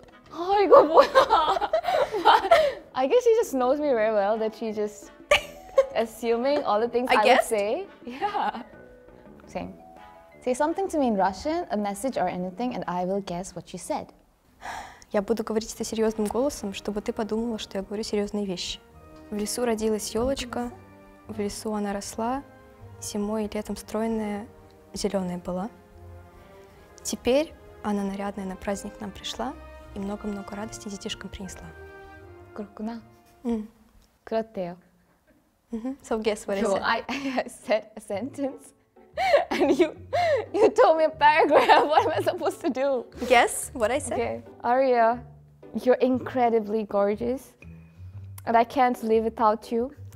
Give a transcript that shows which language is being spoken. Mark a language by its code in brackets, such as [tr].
[ko] 아, 이거 뭐야? [en] I guess she just knows me very well, that she just assuming all the things I would say. Yeah. Same. Say something to me in Russian, a message or anything, and I will guess what you said. [ru] Я буду говорить это серьезным голосом, чтобы ты подумала, что я говорю серьезные вещи. В лесу родилась елочка, в лесу она росла, зимой и летом стройная, зеленая была. Теперь она нарядная на праздник к нам пришла и много-много радости детишкам принесла. [ko] 그렇구나. 그렇대요. [en] So guess what is it? I said a sentence and you told me a paragraph. What am I supposed to do? Guess what I said? Okay. Aria, you're incredibly gorgeous and I can't live without you.